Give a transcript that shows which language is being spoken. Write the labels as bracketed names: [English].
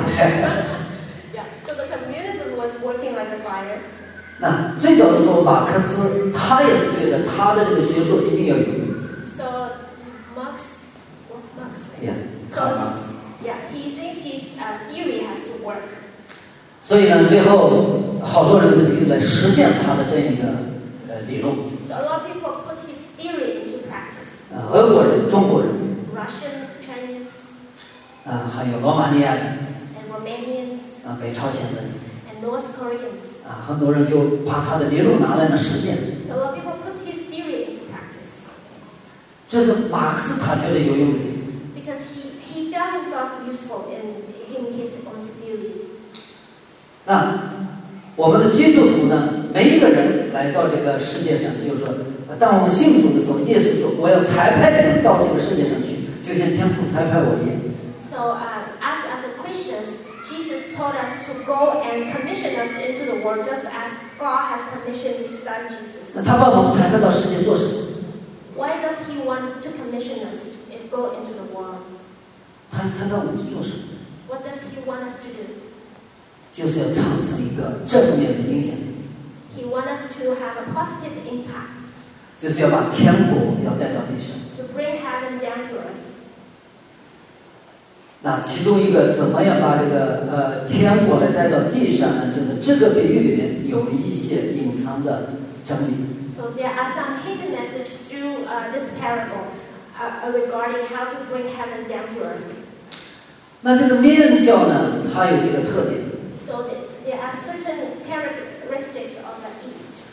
[English] yeah， so the communism was working like a fire。 [Chinese] 那最早的时候，马克思他也是觉得他的这个学说一定要有用。 [English] So Marx， yeah， Karl Marx， yeah， he thinks his theory has to work。 [Chinese] 所以呢，最后好多人都进来实践他的这一个理论。 [English] So a lot of people put his theory into practice。 [Chinese] 俄国人、中国人 [English] ，Russians、Chinese， [Chinese] 还有罗马尼亚人 [English] ，and Romanians， [Chinese] 北朝鲜人 [English] ，and North Koreans， [Chinese] 很多人就把他的理论拿来了实践。 [English] So a lot of people put his theory into practice。 [Chinese] 这是马克思他觉得有用的地方。 [English] Because he found himself useful in him his own theories。 [Chinese] 那我们的基督徒呢？每一个人来到这个世界上，就是说。当我们信主的时候，耶稣说：“我要裁派你们到这个世界上去，就像天父裁派我一样。” [English] So, as a Christians, Jesus told us to go and commission us into the world, just as God has commissioned His Son Jesus. [Chinese] 那他把我们裁派到世界做什么 [English] ？Why does He want to commission us and go into the world? [Chinese] 他裁派我们做什么 [English] ？What does He want us to do? [Chinese] 就是要产生一个正面的影响力。 [English] He want us to have a positive impact. [Chinese] 就是要把天国要带到地上。 [English] To bring heaven down to earth. [Chinese] 那其中一个怎么样把这个天国来带到地上呢？就是这个比喻里面有一些隐藏的真理。 [English] So there are some hidden message through this parable regarding how to bring heaven down to earth. [Chinese] 那这个面教呢，它有这个特点。 [English] So there are certain characteristics of the East.